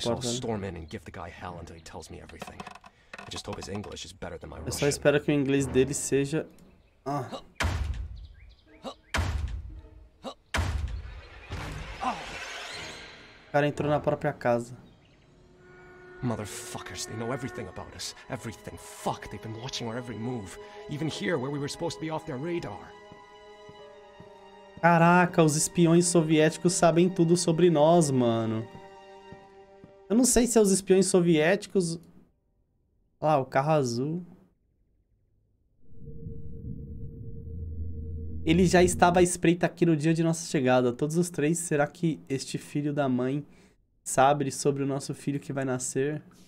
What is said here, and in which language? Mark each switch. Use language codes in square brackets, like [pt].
[en] Okay, so I'll storm in and give the guy hell until he tells me everything. I just hope his English is better than my Russian. [pt] Eu só espero que o inglês dele seja... Ah. O cara entrou na própria casa. [en] Motherfuckers, they know everything about us. Everything. Fuck, they've been watching our every move. Even here, where we were supposed to be off their radar. [pt] Caraca, os espiões soviéticos sabem tudo sobre nós, mano. Eu não sei se é os espiões soviéticos... Olha lá, o carro azul. Ele já estava à espreita aqui no dia de nossa chegada. Todos os três, será que este filho da mãe sabe sobre o nosso filho que vai nascer?